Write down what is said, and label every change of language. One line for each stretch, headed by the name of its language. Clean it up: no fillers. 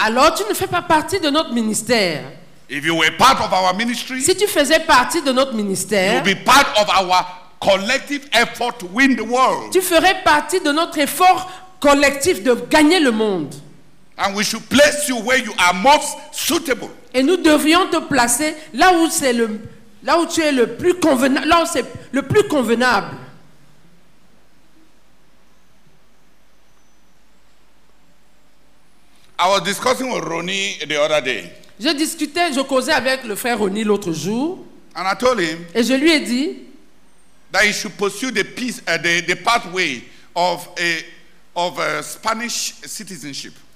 French: Alors tu ne fais pas partie de notre ministère.
English: If you were part of our ministry,
French: si tu faisais partie de notre ministère,
English: you'll be part of our collective effort to win the world.
French: Tu ferais partie de notre effort collectif de gagner le monde.
English: And we should place you where you are most suitable.
French: Et nous devrions te placer là où c'est le là où tu es le plus convenable, là où c'est le plus convenable.
English: I was discussing with Ronnie the other day.
French: Je causais avec le frère Ronnie l'autre jour.
English: And I told him,
French: et je lui ai dit
English: that he should pursue the pathway of a Spanish citizenship.